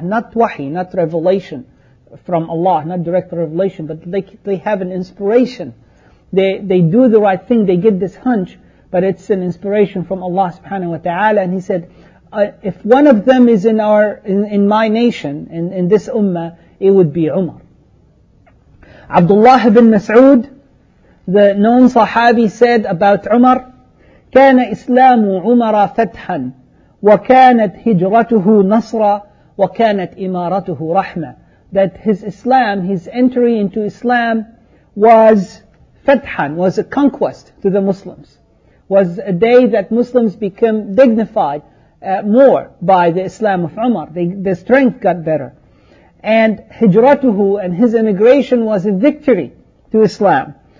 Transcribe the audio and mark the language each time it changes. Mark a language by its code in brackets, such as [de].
[en] Not wahi, not revelation from Allah, not direct revelation, but they have an inspiration. They do the right thing, they get this hunch, but it's an inspiration from Allah subhanahu wa ta'ala. And he said, if one of them is in my nation, in this ummah, it would be Umar. Abdullah ibn Mas'ud, the known Sahabi, said about Umar, [ar] كان إسلام عمر فتحا وكانت هجرته نصرا وكانت إمارته رحمة. [en] That his Islam, his entry into Islam, was fathan, was a conquest to the Muslims, was a day that Muslims became dignified more by the Islam of Umar. The strength got better. And hijratuhu, and his immigration, was a victory to Islam.